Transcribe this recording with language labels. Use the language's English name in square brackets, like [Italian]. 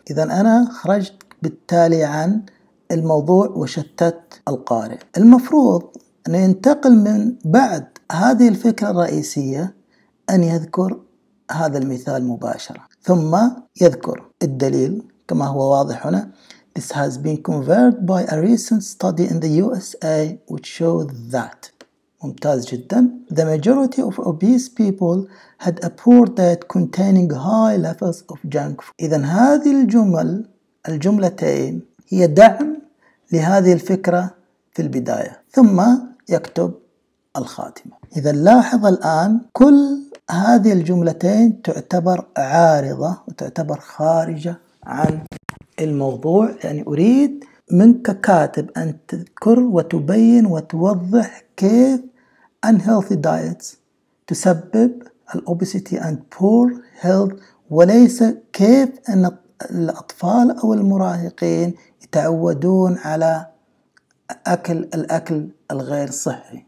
[Arabic] إذا أنا خرجت بالتالي عن الموضوع وشتت القارئ. المفروض أن ينتقل من بعد هذه الفكرة الرئيسية أن يذكر هذا المثال مباشرة، ثم يذكر الدليل كما هو واضح هنا. [English] This has been confirmed by a recent study in the USA which showed that. [Arabic] ممتاز جدا. [English] The majority of obese people had a poor diet containing high levels of junk food. [Arabic] إذن هذه الجملتين هي دعم لهذه الفكرة في البداية، ثم يكتب الخاتمة. إذا لاحظ الآن كل هذه الجملتين تعتبر عارضة وتعتبر خارجة عن الموضوع، يعني أريد منك كاتب أن تذكر وتبين وتوضح كيف unhealthy diets تسبب [English] obesity and poor health، [Arabic] وليس كيف أن الأطفال أو المراهقين يتعودون على الأكل الغير صحي.